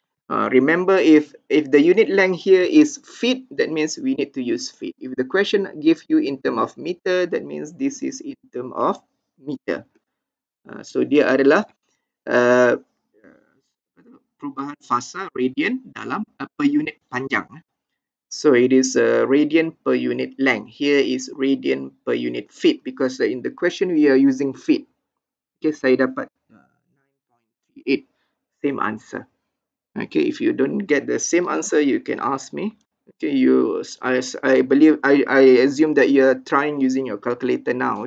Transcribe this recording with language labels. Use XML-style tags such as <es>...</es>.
<en>Remember, if the unit length here is feet, that means we need to use feet. If the question gives you in term of meter, that means this is in term of meter.</en> <ms>So dia adalah perubahan fasa radian dalam per unit panjang.</ms> <en>So it is radian per unit length. Here is radian per unit feet because in the question we are using feet.</en> <ms>Okay, saya dapat 9.38,</ms> <en>same answer. Okay, if you don't get the same answer, you can ask me. Okay, you I assume that you are trying using your calculator now.</en>